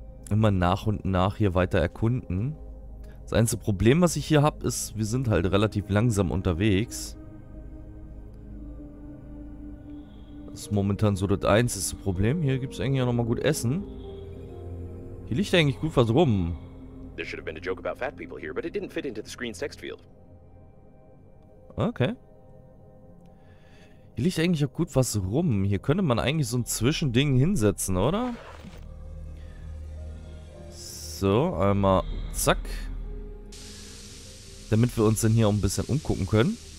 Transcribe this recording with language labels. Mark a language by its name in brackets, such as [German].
[German] Immer nach und nach hier weiter erkunden. Das einzige Problem, was ich hier habe, ist, wir sind halt relativ langsam unterwegs. Momentan so das einzige Problem. Hier gibt es eigentlich auch nochmal gut Essen. Hier liegt eigentlich gut was rum. [English] There should have been a joke about fat people here, but it didn't fit into the screen's text field. Okay. [German] Hier liegt eigentlich auch gut was rum. Hier könnte man eigentlich so ein Zwischending hinsetzen, oder? So, einmal zack. Damit wir uns dann hier auch ein bisschen umgucken können.